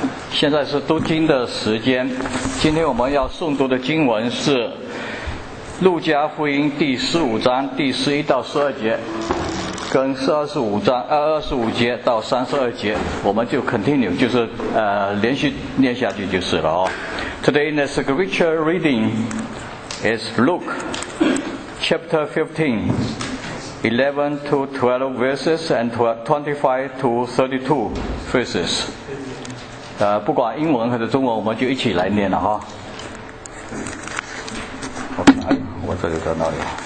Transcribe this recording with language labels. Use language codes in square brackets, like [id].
[zh] 现在是读经的时间，今天我们要诵读的经文是路加福音第十五章第十一到十二节，跟二十五节到三十二节，我们就 continue， 就是连续念下去就是了哦。 [en] Today the scripture reading is Luke chapter 15, 11 to 12 verses and 25 to 32 verses。 [zh] 不管英文还是中文，我们就一起来念了哈。我看，哎，我这里在哪里？